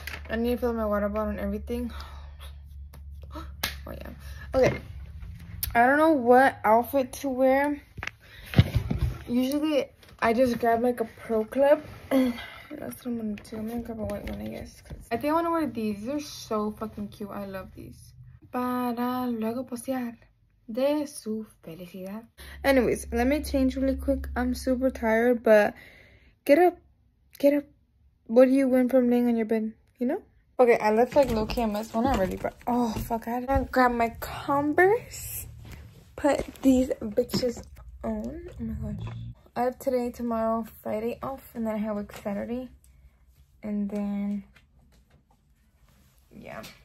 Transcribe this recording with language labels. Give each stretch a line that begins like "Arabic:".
English: I need to fill my water bottle and everything. Oh yeah. Okay. I don't know what outfit to wear. Usually I just grab like a pro clip. That's what I'm gonna do. I'm gonna grab a white one, I guess. I think I wanna wear these. They're so fucking cute. I love these.
Spanish: Para luego postear de su felicidad.
English: Anyways, let me change really quick. I'm super tired, but get up. What do you win from laying on your bed? You know? Okay, I left like low key a mess. Well, not really, but oh fuck. I gotta grab my Converse. Put these bitches on. Oh my gosh. I have today, tomorrow, Friday off, and then I have work Saturday, and then, yeah.